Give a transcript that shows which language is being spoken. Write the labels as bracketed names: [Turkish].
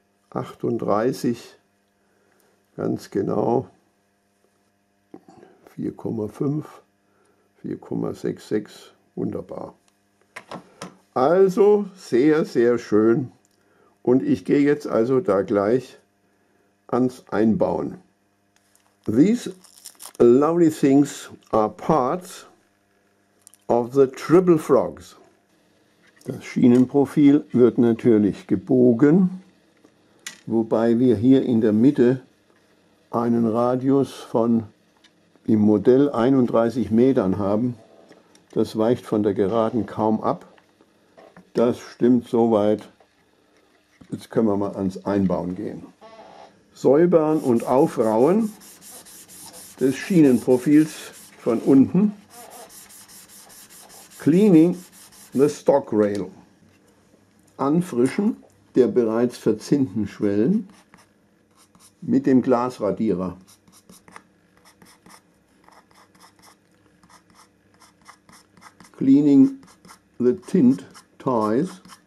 [German] 38, ganz genau. 4,5, 4,66, wunderbar. Also sehr, sehr schön. Und ich gehe jetzt also da gleich ans Einbauen. [English] These lovely things are parts of the triple frogs. [German] Das Schienenprofil wird natürlich gebogen, wobei wir hier in der Mitte einen Radius von im Modell 31 Metern haben. Das weicht von der Geraden kaum ab. Das stimmt soweit. Jetzt können wir mal ans Einbauen gehen. Säubern und Aufrauen des Schienenprofils von unten. [English] Cleaning the stock rail. [German] Anfrischen der bereits verzinnten Schwellen mit dem Glasradierer. [English] Cleaning the tint ties.